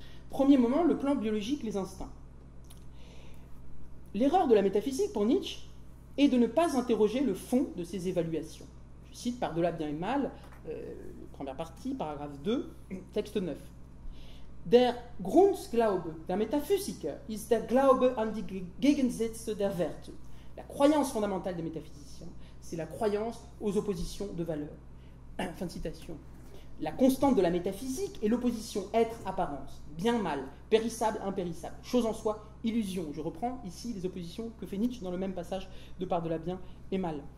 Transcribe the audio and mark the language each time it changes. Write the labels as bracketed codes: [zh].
[fr] Premier moment, le plan biologique, les instincts. L'erreur de la métaphysique pour Nietzsche est de ne pas interroger le fond de ses évaluations. Je cite par-delà bien et mal, première partie, paragraphe 2, texte 9. [de] Der Grundglaube der Metaphysiker ist der Glaube an die Gegensätze der Werte. [fr] La croyance fondamentale des métaphysiciens, c'est la croyance aux oppositions de valeurs. Fin de citation. La constante de la métaphysique est l'opposition être-apparence, bien-mal, périssable-impérissable, chose en soi, illusion. Je reprends ici les oppositions que fait Nietzsche dans le même passage de par-delà bien et mal.